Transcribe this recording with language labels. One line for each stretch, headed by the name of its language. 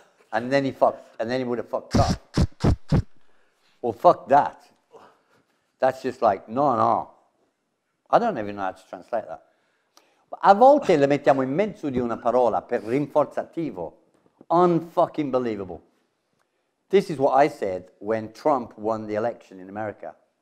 English: And then he fucked, and then he would have fucked up. Well, fuck that. That's just like, no, no. I don't even know how to translate that.
Italian: A volte le mettiamo in mezzo di una parola per rinforzativo.
English: Unfucking believable. This is what I said when Trump won the election in America.